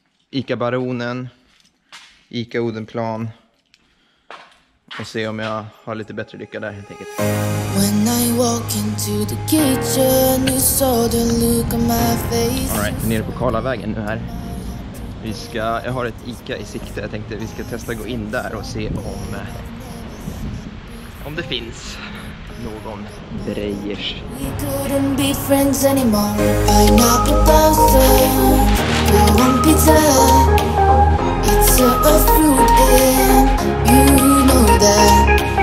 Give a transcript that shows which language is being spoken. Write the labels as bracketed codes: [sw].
[sv] ICA-baronen. ICA-Odenplan. Och se om jag har lite bättre lycka där helt enkelt. [en] When I walk into the kitchen, you saw the look on my face. All right, [sv] nere på Karlavägen nu här. Jag har ett ICA i sikte. Jag tänkte vi ska testa gå in där och se om det finns någon Breyers. [en] We couldn't be friends anymore. I'm not proposing. I want pizza. It's a fruit and you know that.